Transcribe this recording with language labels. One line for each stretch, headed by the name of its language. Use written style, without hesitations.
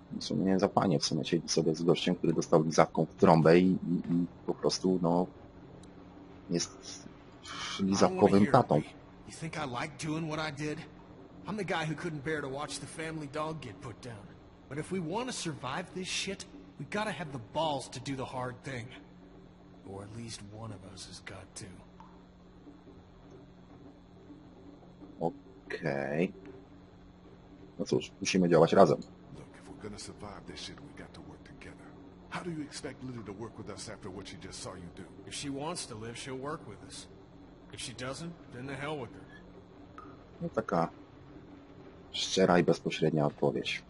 Polish: Nie za panie, w sumie siedzi sobie z gościem, który dostał lizawką w trąbę i po prostu, no... jest lizawkowym tatą.
English: You think I like doing what I did? I'm the guy who couldn't bear to watch the family dog get put down. But if we want to survive this shit, we gotta have the balls to do the hard thing. Or at least one of us has got to. Okay.
Polish: No cóż, musimy działać razem.
English: Look, if we're gonna survive this shit, we got to work together. How do you expect Lily to work with us after what she just saw you do? If she wants to live, she'll work with us. If she doesn't, then the hell with her.
Polish: No taka szczera i bezpośrednia odpowiedź.